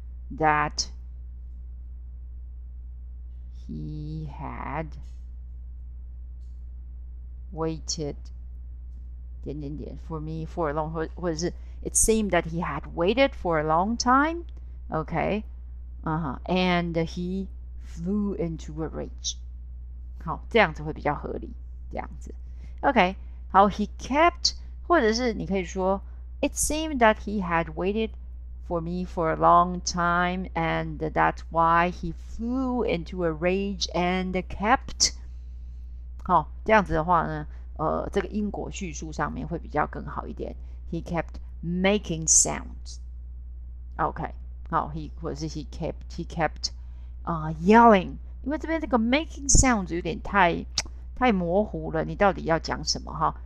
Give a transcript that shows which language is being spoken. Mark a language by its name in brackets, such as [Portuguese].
[English] That he had waited [Chinese] 点点点 [English] for me for a long [Chinese] 或者是 [English] it seemed that he had waited for a long time, okay, and he flew into a rage. [Chinese] 好，这样子会比较合理，这样子。 [English] Okay, [Chinese] 好， [English] he kept [Chinese] 或者是你可以说 [English] it seemed that he had waited. For me, for a long time, and that's why he flew into a rage and kept. [Chinese] 好，这样子的话呢，这个因果叙述上面会比较更好一点。 [English] He kept making sounds. OK， [Chinese] 好， [English] he 或者是 he kept yelling， [Chinese] 因为这边这个 making sounds 有点太模糊了，你到底要讲什么哈？